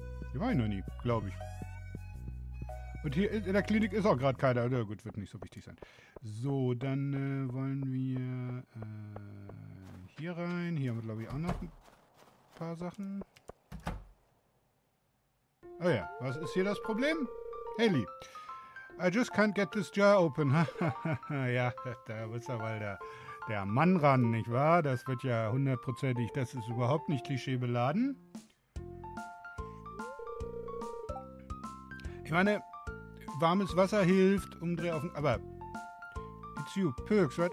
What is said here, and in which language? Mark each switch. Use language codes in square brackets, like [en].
[de] Hier war ich noch nie, glaube ich. Und hier in der Klinik ist auch gerade keiner. Na gut, wird nicht so wichtig sein. So, dann wollen wir hier rein. Hier haben wir, glaube ich, auch noch ein paar Sachen. Oh ja, was ist hier das Problem? [en] Haley, I just can't get this jar open. [de] Ja, da muss ja mal der Mann ran, nicht wahr? Das wird ja hundertprozentig, das ist überhaupt nicht klischeebeladen. Ich meine... warmes Wasser hilft, umdreh auf den... aber... [en] it's you, Perks, right?